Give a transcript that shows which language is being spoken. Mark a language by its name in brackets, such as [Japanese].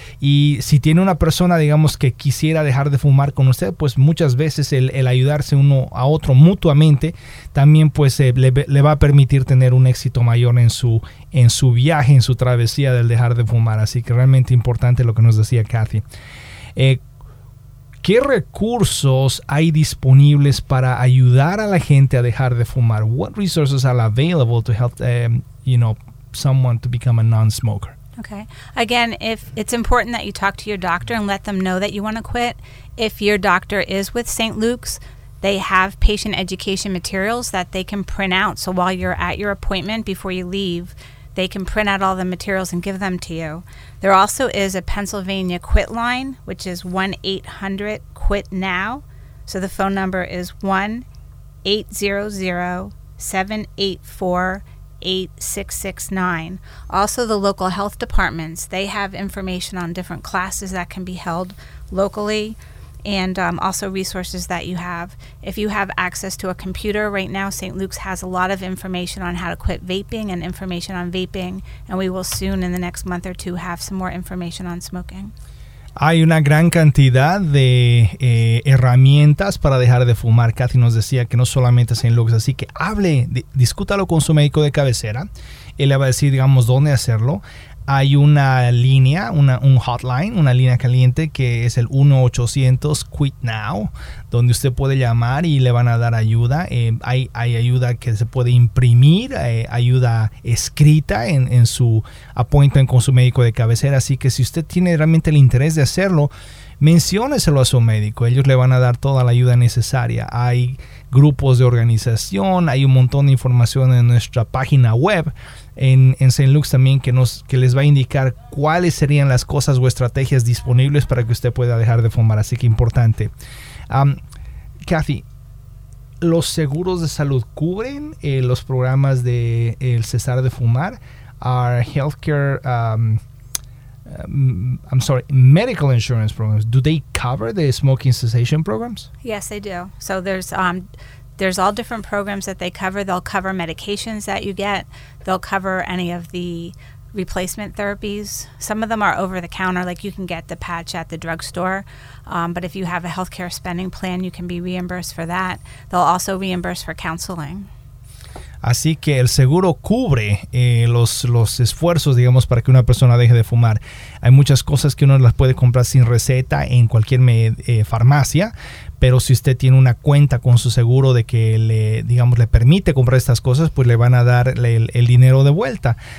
[Spanish] Y si tiene una persona, digamos, que quisiera dejar de fumar con usted, pues muchas veces el ayudarse uno a otro mutuamente también pues le va a permitir tener un éxito mayor en su viaje, en su travesía del dejar de fumar. Así que realmente importante lo que nos decía Kathy. ¿Qué recursos hay disponibles para ayudar a la gente a dejar de fumar? [English] What resources are available to help, you know, someone to become a non-smoker? Okay. Again, if it's important that you talk to your doctor and let them know that you want to quit. If your doctor is with St. Luke's, they have patient education materials that they can print out. So while you're at your appointment before you leave, they can print out all the materials and give them to you. There also is a Pennsylvania Quit Line, which is 1-800-QUIT-NOW. So the phone number is 1-800-784-8669. Also, the local health departments, they have information on different classes that can be held locally, and also resources that you have. If you have access to a computer right now, St. Luke's has a lot of information on how to quit vaping and information on vaping, and we will soon in the next month or two have some more information on smoking. [Spanish] Hay una gran cantidad de herramientas para dejar de fumar. Kathy nos decía que no solamente St. Luke's, así que hable, discútalo con su médico de cabecera. Él le va a decir, digamos, dónde hacerlo. Hay una línea, un hotline, una línea caliente que es el 1-800-QUIT-NOW, donde usted puede llamar y le van a dar ayuda. Hay ayuda que se puede imprimir, ayuda escrita en su appointment con su médico de cabecera. Así que si usted tiene realmente el interés de hacerlo, menciónselo a su médico. Ellos le van a dar toda la ayuda necesaria. Hay grupos de organización, hay un montón de información en nuestra página web en St. Luke's también que les va a indicar cuáles serían las cosas o estrategias disponibles para que usted pueda dejar de fumar, así que importante. Kathy, ¿los seguros de salud cubren los programas de el cesar de fumar? [English] Are healthcare medical insurance programs, do they cover the smoking cessation programs? Yes, they do. So there's all different programs that they cover. They'll cover medications that you get. They'll cover any of the replacement therapies. Some of them are over the counter, like you can get the patch at the drugstore. But if you have a healthcare spending plan, you can be reimbursed for that. They'll also reimburse for counseling. [Spanish] Así que el seguro cubre los esfuerzos, digamos, para que una persona deje de fumar. Hay muchas cosas que uno las puede comprar sin receta en cualquier farmacia, pero si usted tiene una cuenta con su seguro de que le permite comprar estas cosas, pues le van a dar el dinero de vuelta.